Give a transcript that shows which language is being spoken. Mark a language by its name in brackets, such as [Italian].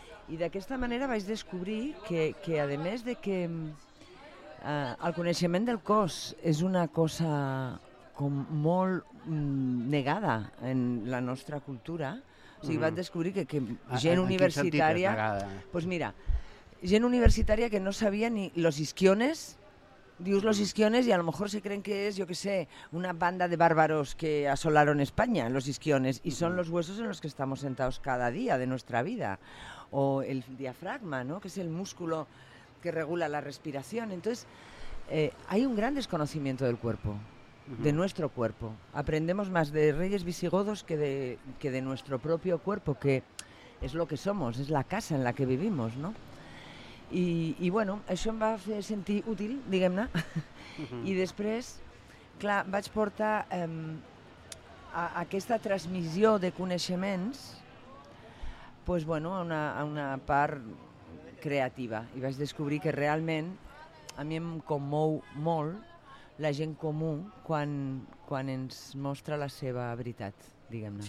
[Catalan] I d'aquesta manera vaig descobrir que a més de que el coneixement del cos és una cosa com molt negada en la nostra cultura, o sigui, vaig descobrir que gent universitària... [Spanish] Pues mira, [Catalan] gent universitària que no sabia ni [Spanish] los isquiones, [Catalan] dius [Spanish] los isquiones i a lo mejor se creen que [Catalan] és, jo que sé, [Spanish] una banda de bàrbaros que assolaron España, los isquiones, y son los huesos en los que estamos sentados cada día de nuestra vida. O el diafragma, ¿no?, que es el músculo que regula la respiración. Entonces, hay un gran desconocimiento del cuerpo, de nuestro cuerpo. Aprendemos más de reyes visigodos que de nuestro propio cuerpo, que es lo que somos, es la casa en la que vivimos, ¿no? [Catalan] I bueno, això em va fer sentir útil, diguem-ne, i després, clar, vaig portar aquesta transmissió de coneixements a una part creativa, i vaig descobrir que realment a mi em commou molt la gent comú quan ens mostra la seva veritat, diguem-ne.